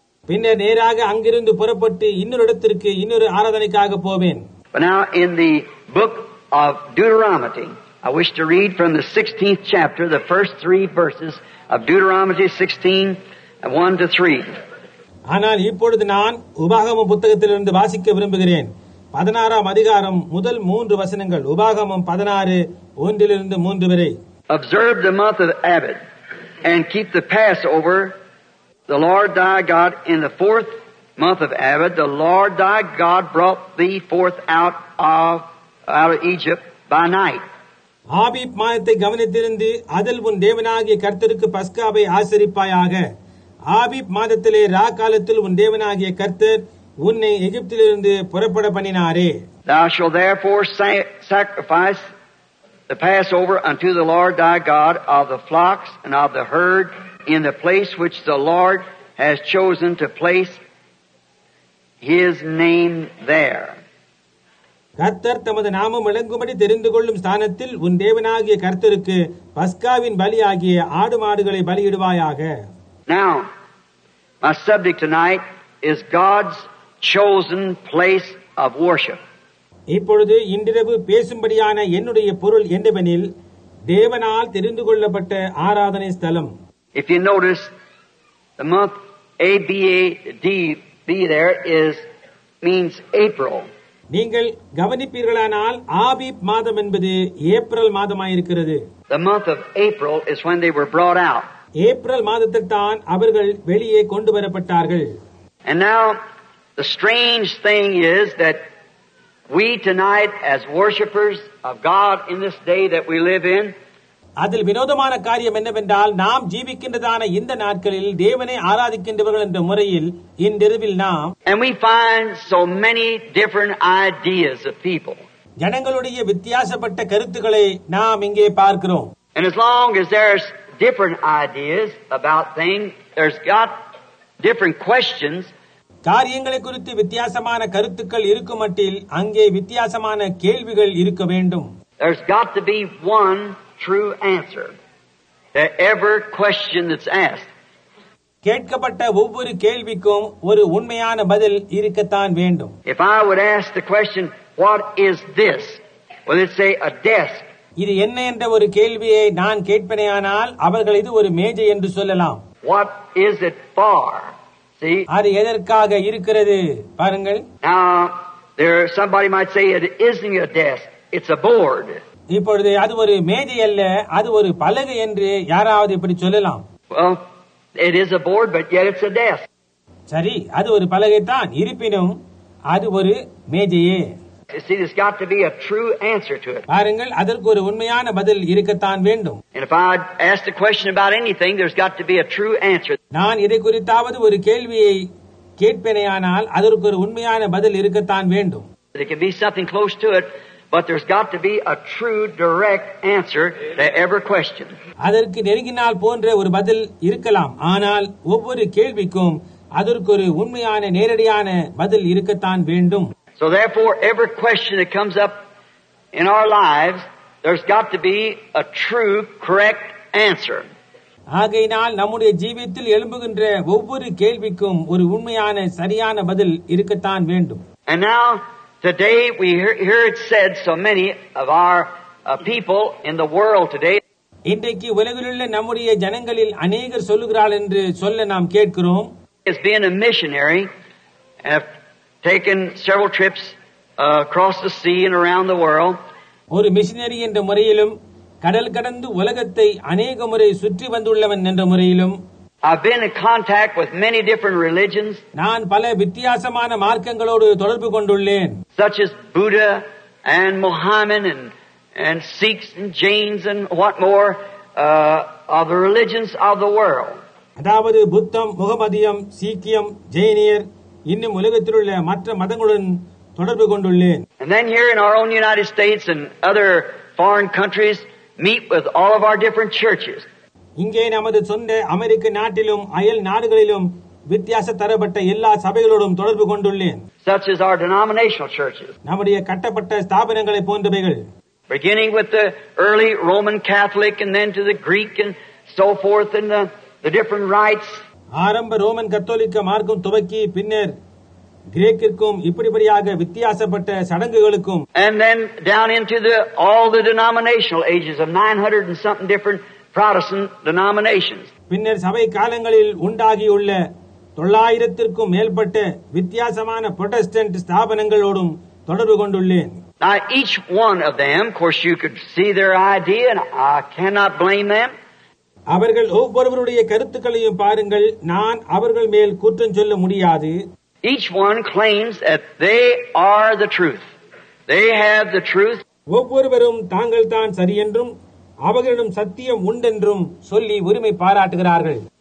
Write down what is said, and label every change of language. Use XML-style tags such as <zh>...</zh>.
<ta>பின்னர் நேராக அங்கிருந்து புறப்பட்டு இன்னொரு இடத்திற்கு இன்னொரு ஆராதனைக்காக போவேன்.</ta> <en>Now in the book of Deuteronomy, I wish to read from the 16th chapter, the first three verses of Deuteronomy 16:1-3.</en> <ta>ஆனால் இப்பொழுது நான் உபாகமம் புத்தகத்திலிருந்து வாசிக்க விரும்புகிறேன். 16 அதிகாரம் முதல் 3 வசனங்கள். உபாகமம் 16:1-3 வரை.</ta> <en>Observe the month of Abib and keep the Passover, the Lord thy God, in the fourth month of Abib, the Lord thy God brought thee forth out of Egypt by night.</en> <ta>Abib மாதத்தை கவனித்திருந்து அதில் உன் தேவனாகிய கர்த்தருக்கு பஸ்காவை ஆசரிப்பாயாக. ஆபிப் மாதத்திலே ரா காலத்தில் உன் தேவனாகிய கர்த்தர் உன்னை எகிப்திலிருந்து புறப்பட பண்ணினாரே.</ta> <en>Thou shalt therefore sacrifice the Passover unto the Lord thy God of the flocks and of the herd in the place which the Lord has chosen to place his name there.</en> <ta>கர்த்தர் தமது நாமம் விளங்கும்படி தெரிந்து கொள்ளும் ஸ்தானத்தில் உன் தேவனாகிய கர்த்தருக்கு பஸ்காவின் பலியாகிய ஆடு மாடுகளை பலியிடுவாயாக.</ta> <en>Now, my subject tonight is God's chosen place of worship.</en> <ta>இப்பொழுது இன்றிரவு பேசும்படியான என்னுடைய பொருள் என்னவெனில் தேவனால் தெரிந்து கொள்ளப்பட்ட ஆராதனை ஸ்தலம்.</ta> <en>If you notice, the month ABADB there means April.</en> <ta>நீங்கள் கவனிப்பீர்களானால் ஆபிப் மாதம் என்பது April மாதமாயிருக்கிறது.</ta> <en>The month of April is when they were brought out.</en> <ta>April மாதத்தில் தான் அவர்கள் வெளியே கொண்டு வரப்பட்டார்கள்.</ta> <en>And now the strange thing is that we tonight as worshipers of God in this day that we live in,</en> <ta>அதில் வினோதமான காரியம் என்னவென்றால் நாம் ஜீவிக்கின்றதான இந்த நாட்களில் தேவனை ஆராதிக்கின்றவர்கள் என்ற முறையில் இன்றிரவில் நாம்,</ta> <en>and we find so many different ideas of people,</en> <ta>ஜனங்களுடைய வித்தியாசப்பட்ட கருத்துக்களை நாம் இங்கே பார்க்கிறோம்.</ta> <en>And as long as there's different ideas about things, there's got different questions.</en> <ta>காரியங்களை குறித்து வித்தியாசமான கருத்துக்கள் இருக்கும் மட்டில் அங்கே வித்தியாசமான கேள்விகள் இருக்க வேண்டும்.</ta> <en>There's got to be one true answer to every question that's asked.</en> <ta>கேட்கப்பட்ட ஒவ்வொரு கேள்விக்கும் ஒரு உண்மையான பதில் இருக்கத்தான் வேண்டும்.</ta> <en>If I would ask the question, what is this? Well, it'd say a desk.</en> <ta>இது என்ன என்ற ஒரு கேள்வியை நான் கேட்பனையானால் அவர்கள் இது ஒரு மேஜை என்று சொல்லலாம்.</ta> <en>What is it for?</en> <ta>அது எதற்காக இருக்கிறது பாருங்கள்.</ta> <en>There somebody might say it isn't a desk, it's a board.</en> <ta>இப்பொழுது அது ஒரு மேஜை அல்ல, அது ஒரு பலகை என்று யாராவது இப்படி சொல்லலாம்.</ta> <en>It is a board, but yet it's a desk.</en> <ta>சரி, அது ஒரு பலகை தான், இருப்பினும் அது ஒரு மேஜையே.</ta> <en>See, there's got to be a true answer to it.</en> <ta>பாருங்கள், அதற்கு ஒரு உண்மையான பதில் இருக்கத்தான் வேண்டும்.</ta> <en>And if I ask a question about anything, there's got to be a true answer.</en> <ta>நான் இதை குறித்தாவது ஒரு கேள்வியை கேட்பேனேயானால் அதற்கு ஒரு உண்மையான பதில் இருக்கத்தான் வேண்டும்.</ta> <en>There can be something close to it, but there's got to be a true, direct answer to every question.</en> <ta>அதற்கு நெருங்கினால் போன்ற ஒரு பதில் இருக்கலாம், ஆனால் ஒவ்வொரு கேள்விக்கும் அதற்கு ஒரு உண்மையான நேரடியான பதில் இருக்கத்தான் வேண்டும்.</ta> <en>So therefore, every question that comes up in our lives, There's got to be a true, correct answer.</en> <ta>ஆகையினால் நம்முடைய ஜீவிதத்தில் எழும்புகின்ற ஒவ்வொரு கேள்விக்கும் ஒரு உண்மையான சரியான பதில் இருக்கத்தான் வேண்டும்.</ta> <en>And now, today we hear it said so many of our people in the world today.</en> <ta>இன்றைக்கு உலகிலுள்ள நம்முடைய ஜனங்களில் அநேகர் சொல்லுகிறார்கள் என்று சொல்ல நாம் கேட்கிறோம்.</ta> <en>As being a missionary, have taken several trips across the sea and around the world.</en> <ta>ஒரு மிஷினரி என்ற முறையிலும் கடல் கடந்து உலகத்தை அநேக முறை சுற்றி வந்துள்ளவன் என்ற முறையிலும்</ta> <en>I've been in contact with many different religions.</en> <ta>நான் பல வித்தியாசமான மார்க்கங்களோடு தொடர்பு கொண்டுள்ளேன்.</ta> <en>Such as Buddha and Mohammed and Sikhs and Jains and what more of the religions of the world.</en> <ta>அதாவது புத்தம், முகமதியம், சீக்கியம், ஜெயினியர் இன்னும் உலகத்தில் உள்ள மற்ற மதங்களுடன் தொடர்பு கொண்டுள்ளேன்.</ta> <en>And then here in our own United States and other foreign countries meet with all of our different churches.</en> <ta>இங்கே நமது சொந்த அமெரிக்க நாட்டிலும் அயல் நாடுகளிலும் வித்தியாச தரப்பட்ட எல்லா சபைகளோடும் தொடர்பு கொண்டுள்ளேன்.</ta> <en>Such as our denominational churches.</en> <ta>நம்முடைய கட்டப்பட்ட ஸ்தாபனங்களை போன்றவைகள்.</ta> <en>Beginning with the early Roman Catholic and then to the Greek and so forth and the different rites.</en> <ta>ஆரம்ப ரோமன் கத்தோலிக்க மார்க்கம் துவக்கி பின்னர் கிரேக்கிற்கும் இப்படிப்படியாக வித்தியாசப்பட்ட சடங்குகளுக்கும்</ta> <en>and then down into the all the denominational ages of 900 and something different Protestant denominations</en> <ta>பின்னர் சபை காலங்களில் உண்டாகியுள்ள 900-க்கும் மேற்பட்ட வித்தியாசமான புரொட்டஸ்டன்ட் ஸ்தாபனங்களோடும் தொடர்பு கொண்டுள்ளேன்.</ta> <en>Now each one of them, of course, you could see their idea and I cannot blame them.</en> <ta>அவர்கள் ஒவ்வொருவருடைய கருத்துக்களையும் பாருங்கள், நான் அவர்கள் மேல் குற்றம் சொல்ல முடியாது.</ta> <en>Each one claims that they are the truth. They have the truth.</en> <ta>ஒவ்வொருவரும் தாங்கள் தான் சரி என்றும் அவர்களிடம் சத்தியம் உண்டென்றும் சொல்லி உரிமை பாராட்டுகிறார்கள்.</ta>